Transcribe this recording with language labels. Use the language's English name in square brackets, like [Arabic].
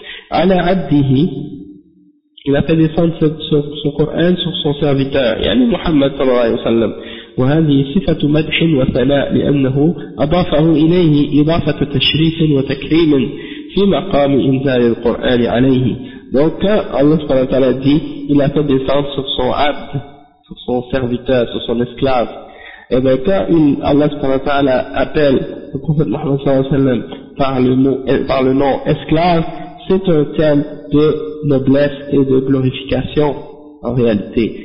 [Arabic] Ala abdihi, [French] il a fait descendre ce Coran sur son serviteur, yani Muhammad sallallahu alayhi wa sallam. [Arabic] وهذه صفة مدح وثناء لأنه أضافه إليه إضافة تشريف وتكريم في مقام إنزال القرآن عليه. [French] Donc, Allah subhanahu wa ta'ala dit, il a fait descendre sur son abd, sur son serviteur, sur son esclave. Et bien, quand Allah subhanahu wa ta'ala appelle le prophète Muhammad sallallahu alayhi wa sallam par le nom esclave, c'est un terme de noblesse et de glorification, en réalité.